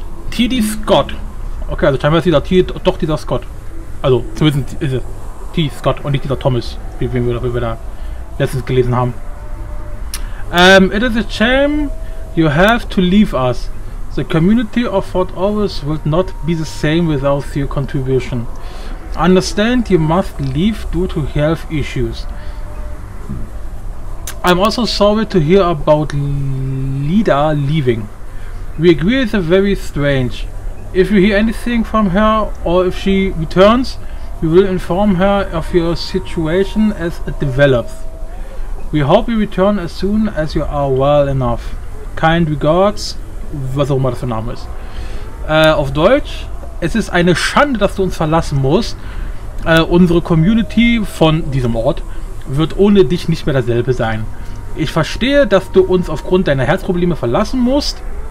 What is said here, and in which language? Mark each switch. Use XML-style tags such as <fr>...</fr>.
<de>TD Scott. Okay, also scheinbar ist dieser TD doch dieser Scott. Also, zumindest ist es TD Scott und nicht dieser Thomas, wie wir da letztens gelesen haben.</de> <en>It is a shame you have to leave us. The community of Fort Orvis will not be the same without your contribution. Understand you must leave due to health issues. I'm also sorry to hear about Lida leaving. We agree it's very strange. If you hear anything from her or if she returns, we will inform her of your situation as it develops. We hope you return as soon as you are well enough. Kind regards,</en> <de>was auch immer das für ein Name ist. Auf Deutsch, es ist eine Schande, dass du uns verlassen musst. Unsere Community von diesem Ort wird ohne dich nicht mehr dasselbe sein. Ich verstehe, dass du uns aufgrund deiner Herzprobleme verlassen musst.</de>